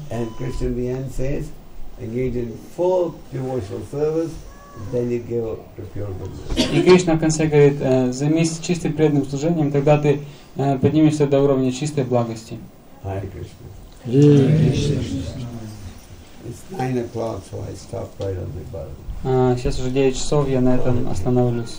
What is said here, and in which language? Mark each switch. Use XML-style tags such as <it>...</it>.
<en>And Christian Vian says, engage in full devotional service. Then you give up your pure goodness.</en> <ru>И Кришна в конце говорит, займись чистым преданным служением, тогда ты поднимешься до уровня чистой благости.</ru> <en>Hare Krishna. It's 9 o'clock, so I stop right on the bottom.</en> <ru>Сейчас уже 9 часов, я на этом останавливаюсь.</ru>